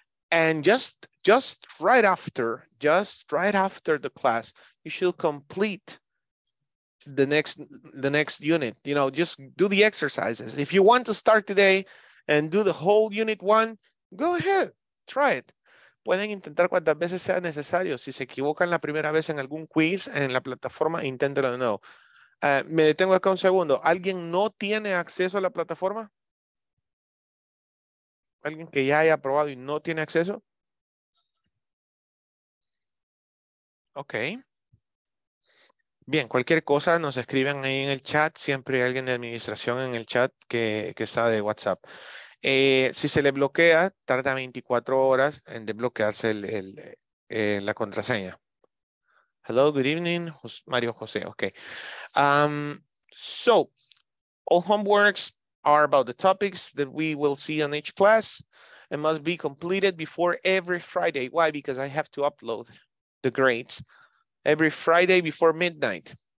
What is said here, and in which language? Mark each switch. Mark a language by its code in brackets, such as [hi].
[en] And just right after the class, you should complete the next unit. You know, just do the exercises. If you want to start today and do the whole unit one, go ahead, try it. [es] Pueden intentar cuantas veces sea necesario. Si se equivocan la primera vez en algún quiz en la plataforma, inténtelo de nuevo. Me detengo acá un segundo. ¿Alguien no tiene acceso a la plataforma? ¿Alguien que ya haya probado y no tiene acceso? Ok. Bien, cualquier cosa nos escriben ahí en el chat. Siempre hay alguien de administración en el chat que está de WhatsApp. Si se le bloquea, tarda 24 horas en desbloquearse la contraseña. [en] Hello, good evening, Mario José. Okay. So, all homeworks are about the topics that we will see in each class and must be completed before every Friday. Why? Because I have to upload the grades every Friday before midnight.